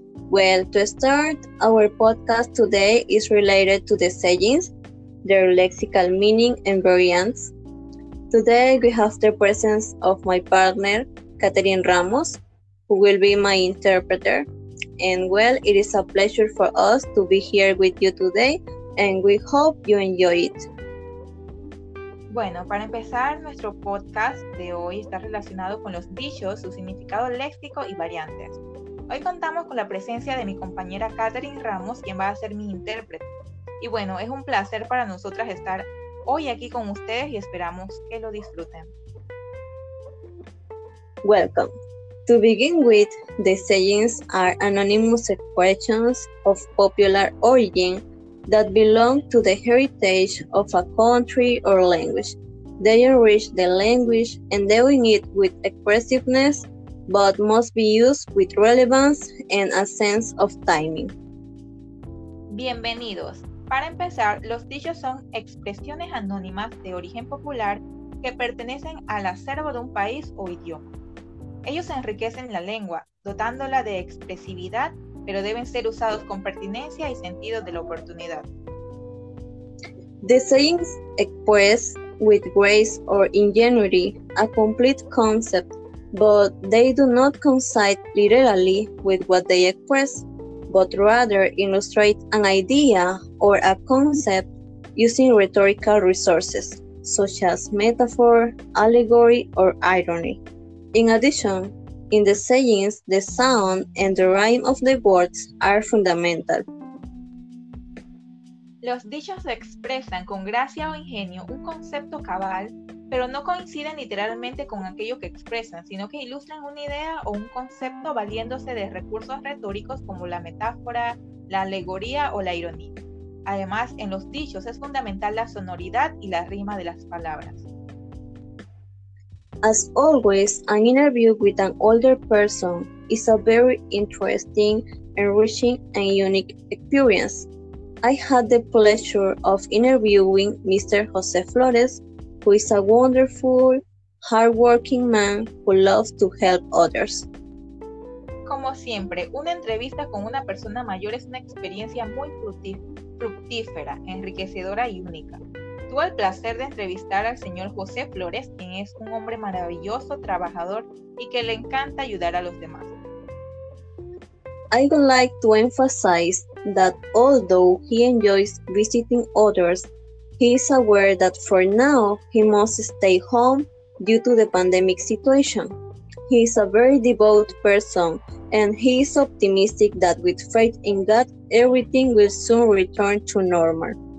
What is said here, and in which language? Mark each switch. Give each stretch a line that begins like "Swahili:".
English: Well, to start, our podcast today is related to the sayings, their lexical meaning and variants. Today, we have the presence of my partner, Catherine Ramos, who will be my interpreter. And well, it is a pleasure for us to be here with you today, and we hope you enjoy it.
Spanish: Bueno, para empezar, nuestro podcast de hoy está relacionado con los dichos, su significado léxico y variantes. Hoy contamos con la presencia de mi compañera Catherine Ramos, quien va a ser mi intérprete. Y bueno, es un placer para nosotras estar hoy aquí con ustedes y esperamos que lo disfruten.
English: Welcome. To begin with, the sayings are anonymous expressions of popular origin that belong to the heritage of a country or language. They enrich the language, endowing it with expressiveness, but must be used with relevance and a sense of timing.
Spanish: Bienvenidos. Para empezar, los dichos son expresiones anónimas de origen popular que pertenecen al acervo de un país o idioma. Ellos enriquecen la lengua, dotándola de expresividad, pero deben ser usados con pertinencia y sentido de la oportunidad.
English: The sayings express with grace or ingenuity a complete concept, but they do not coincide literally with what they express, but rather illustrate an idea or a concept using rhetorical resources, such as metaphor, allegory, or irony. In addition, in the sayings, the sound and the rhyme of the words are fundamental.
Spanish: Los dichos expresan con gracia o ingenio un concepto cabal, pero no coinciden literalmente con aquello que expresan, sino que ilustran una idea o un concepto valiéndose de recursos retóricos como la metáfora, la alegoría o la ironía. Además, en los dichos es fundamental la sonoridad y la rima de las palabras.
English: As always, an interview with an older person is a very interesting, enriching, and unique experience. I had the pleasure of interviewing Mr. Jose Flores, who is a wonderful, hardworking man who loves to help others.
Spanish: Como siempre, una entrevista con una persona mayor es una experiencia muy fructífera, enriquecedora y única. Tuve el placer de entrevistar al señor José Flores, quien es un hombre maravilloso, trabajador y que le encanta ayudar a los demás.
English: I would like to emphasize that although he enjoys visiting others, he is aware that for now he must stay home due to the pandemic situation. He is a very devout person and he is optimistic that with faith in God, everything will soon return to normal.